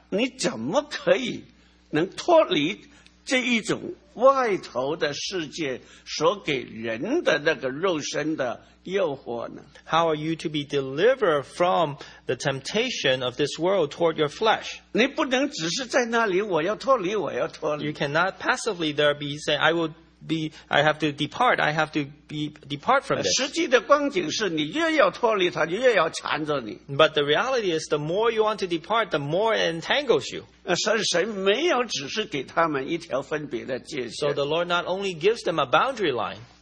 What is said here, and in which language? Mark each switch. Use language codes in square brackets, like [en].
[zh] 你怎么可以能脱离这一种 外头的世界所给人的那个肉身的诱惑呢? [en] How are you to be delivered from the temptation of this world toward your flesh? [zh] 你不能只是在那里,我要脱离,我要脱离。 [en] You cannot passively there be saying, I have to depart from this. [zh] 实际的光景是你越要脱离它,越要缠着你。 [en] But the reality is, the more you want to depart, the more it entangles you. [zh] 神没有只是给他们一条分别的界限。 [en] So the Lord not only gives them a boundary line.